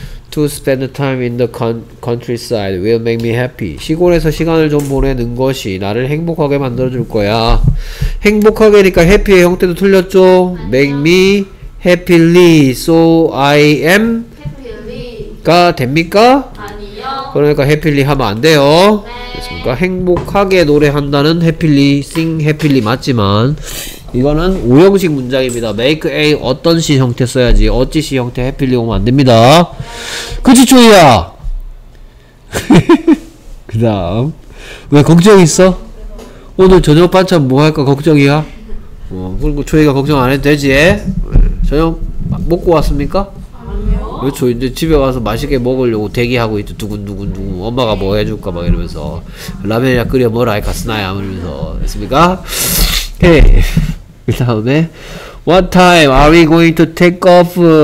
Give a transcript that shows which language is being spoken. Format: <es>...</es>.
<en>to spend time in the countryside will make me happy.</en> <ko>시골에서 시간을 좀 보내는 것이 나를 행복하게 만들어줄 거야. 행복하게니까 happy의 형태도 틀렸죠? 아니요.</ko> <en>make me happily. so I am happily.</en> <ko>가 됩니까? 아니요. 그러니까 happily 하면 안 돼요. 네. 그러니까 행복하게 노래한다는 해피리 싱 해피리 맞지만 이거는 오형식 문장입니다. make a 어떤 시 형태 써야지 어찌 시 형태 해피리 오면 안됩니다. 그치 초이야? 그 다음 왜 걱정 있어? 오늘 저녁 반찬 뭐 할까 걱정이야? 뭐 그리고 초이가 걱정 안해도 되지. 저녁 먹고 왔습니까? 그렇죠. 이제 집에 와서 맛있게 먹으려고 대기하고 있죠. 두근두근두근. 엄마가 뭐 해줄까 막 이러면서. 라면이나 끓여 먹으라 이 갔으나야 이러면서. 됐습니까? 오케이. 그 다음에</ko> <en>What time are we going to take off?</en>